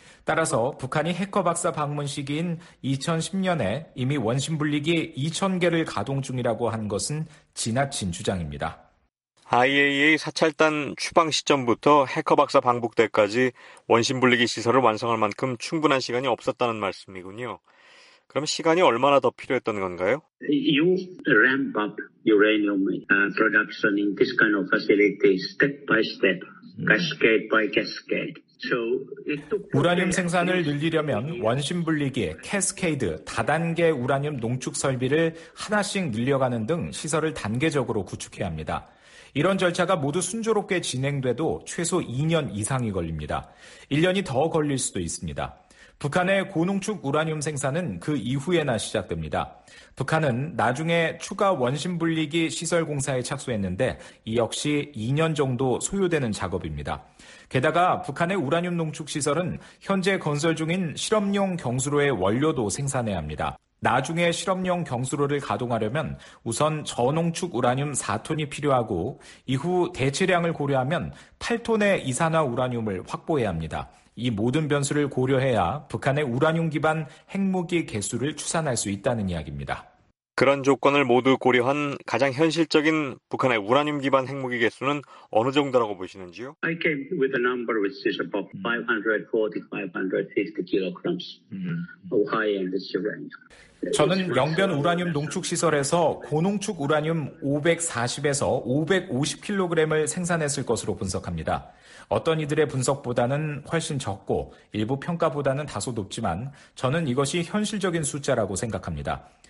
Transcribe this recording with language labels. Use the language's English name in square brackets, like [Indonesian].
[Korean] 따라서 북한이 해커 박사 방문 시기인 2010년에 이미 원심 분리기 2,000개를 가동 중이라고 한 것은 지나친 주장입니다. IAEA 사찰단 추방 시점부터 해커 박사 방북 때까지 원심 분리기 시설을 완성할 만큼 충분한 시간이 없었다는 말씀이군요. 그럼 시간이 얼마나 더 필요했던 건가요? [English] You ramp up uranium production in this kind of facility step by step, cascade by cascade. [Korean] 우라늄 생산을 늘리려면 원심 분리기, 캐스케이드, 다단계 우라늄 농축 설비를 하나씩 늘려가는 등 시설을 단계적으로 구축해야 합니다. 이런 절차가 모두 순조롭게 진행돼도 최소 2년 이상이 걸립니다. 1년이 더 걸릴 수도 있습니다. 북한의 고농축 우라늄 생산은 그 이후에나 시작됩니다. 북한은 나중에 추가 원심 분리기 시설 공사에 착수했는데 이 역시 2년 정도 소요되는 작업입니다. 게다가 북한의 우라늄 농축 시설은 현재 건설 중인 실험용 경수로의 원료도 생산해야 합니다. 나중에 실험용 경수로를 가동하려면 우선 저농축 우라늄 4톤이 필요하고 이후 대체량을 고려하면 8톤의 이산화 우라늄을 확보해야 합니다. 이 모든 변수를 고려해야 북한의 우라늄 기반 핵무기 개수를 추산할 수 있다는 이야기입니다. 그런 조건을 모두 고려한 가장 현실적인 북한의 우라늄 기반 핵무기 개수는 어느 정도라고 보시는지요? [English] I came with a number which is about 540-550 kilograms of high-end uranium. [Korean] 저는 영변 우라늄 농축 시설에서 고농축 우라늄 540에서 550kg을 생산했을 것으로 분석합니다. 어떤 이들의 분석보다는 훨씬 적고 일부 평가보다는 다소 높지만 저는 이것이 현실적인 숫자라고 생각합니다.